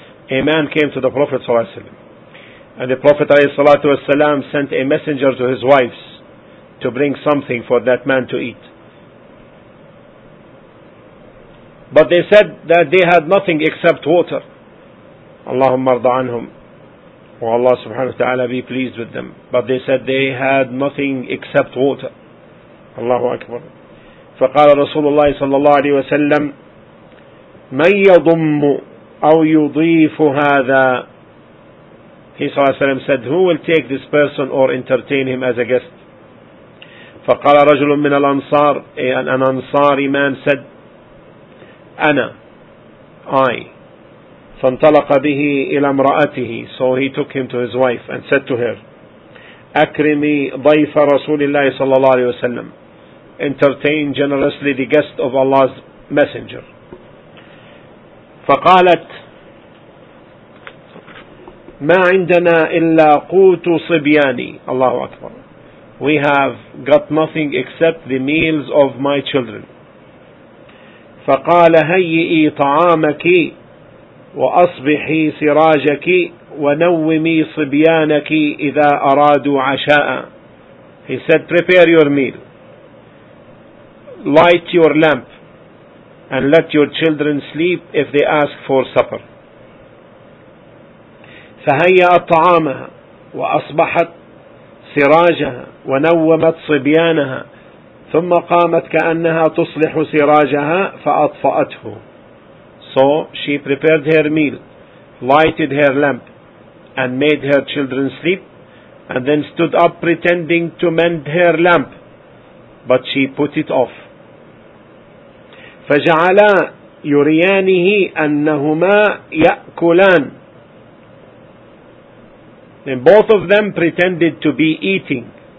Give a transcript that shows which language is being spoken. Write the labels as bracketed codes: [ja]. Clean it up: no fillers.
[en] A man came to the Prophet [ar] صلى الله عليه وسلم, [en] and the Prophet [ar] عليه الصلاة والسلام [en] sent a messenger to his wives to bring something for that man to eat, but they said that they had nothing except water. [ar] اللهم ارضى عنهم. [en] Oh Allah subhanahu wa ta'ala be pleased with them. But they said they had nothing except water. [ar] الله أكبر. فقال رسول الله صلى الله عليه وسلم من يضم أو يضيف هذا. [en] He [ar] صلى الله عليه وسلم [en] said, who will take this person or entertain him as a guest. [ar] فقال رجل من الأنصار, [en] an Ansari man said, [ar] أنا, [en] I. [ar] فانطلق به إلى امرأته. [en] So he took him to his wife and said to her, [ar] أكرمي ضيف رسول الله صلى الله عليه وسلم. [en] Entertain generously the guest of Allah's messenger. [ar] فقالت ما عندنا إلا قوت صبياني. الله أكبر. [en] We have got nothing except the meals of my children. [ar] فقال هيئي طعامك وأصبحي سراجك ونومي صبيانك إذا أرادوا عشاء. [en] He said, prepare your meal, light your lamp, and let your children sleep if they ask for supper. [ar] فهيأت طعامها وأصبحت سراجها ونومت صبيانها ثم قامت كأنها تصلح سراجها فأطفأته. [en] So she prepared her meal, lighted her lamp, and made her children sleep, and then stood up pretending to mend her lamp, but she put it off. [ar] فجعلا يريانه أنهما يأكلان. [en] Then both of them pretended to be eating.